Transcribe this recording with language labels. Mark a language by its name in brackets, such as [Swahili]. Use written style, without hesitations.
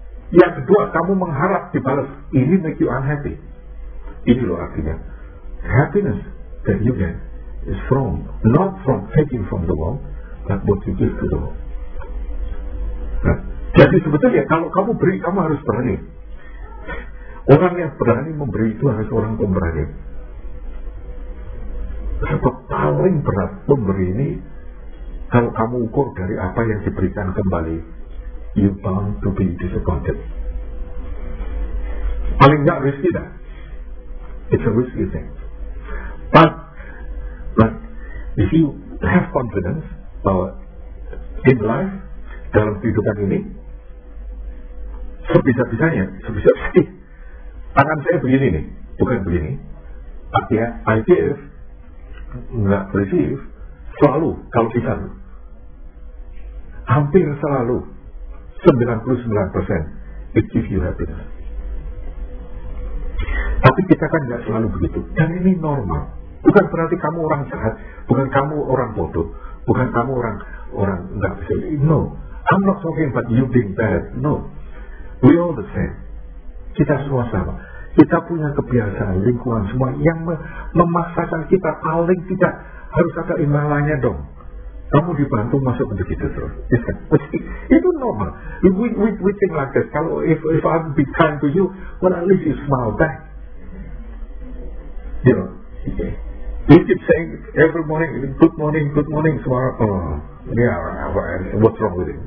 [Indonesian] Yang kedua, kamu mengharap dibalas. Ini [English] make you unhappy. [Indonesian] Ini loh artinya. [English] Happiness that you get is from, not from taking from the world, that what you give to the world. [Indonesian] Jadi sebetulnya kalau kamu beri, kamu harus berani. Orang yang berani memberi itu harus orang pemberani. Sebab paling berat memberi ini, kalau kamu ukur dari apa yang diberikan kembali, [English] you bound to be disappointed. [Indonesian] Paling tidak risky dah. [English] It's a risky thing. But if you have confidence [Indonesian] bahwa [English] in life, [Indonesian] dalam kehidupan ini, sebisa-bisanya, sebisa-bisanya, tangan saya begini nih, bukan begini. Artinya, [English] I give, [Indonesian] enggak receive, selalu, kalau bisa. Hampir selalu, [English] 99%, it gives you happiness. [Indonesian] Tapi kita kan enggak selalu begitu. Dan ini normal. Bukan berarti kamu orang jahat, bukan kamu orang bodoh, bukan kamu orang enggak bisa. [English] No, I'm not talking about you being bad, no. We all the same. [Indonesian] Kita semua sama. Kita punya kebiasaan, lingkungan semua yang memaksakan kita paling tidak harus ada imbalannya dong. Kamu dibantu masuk untuk itu terus. Itu normal. [English] We think like this. [Indonesian] Kalau [English] if I be kind to you, well at least you smile back. You know. Okay. We keep saying every morning, good morning, tomorrow. Oh, yeah, what's wrong with it?